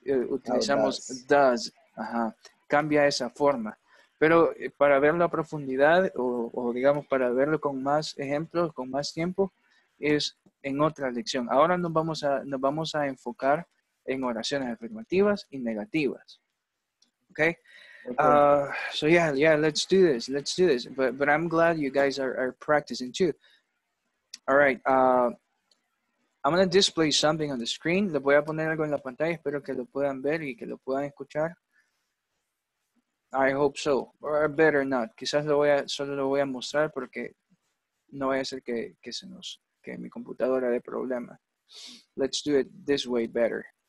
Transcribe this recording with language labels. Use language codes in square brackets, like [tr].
[es] Utilizamos does. Ajá. Cambia esa forma. Pero para verlo a profundidad o digamos para verlo con más ejemplos, con más tiempo, es en otra lección. Ahora nos vamos a enfocar en oraciones afirmativas y negativas. [en] Okay? So yeah, let's do this. But I'm glad you guys are practicing too. All right. I'm going to display something on the screen. [es] Le voy a poner algo en la pantalla. Espero que lo puedan ver y que lo puedan escuchar. [en] I hope so. Or better not. [es] Quizás solo lo voy a mostrar porque no vaya a ser que mi computadora dé problema. [en] Let's do it this way better.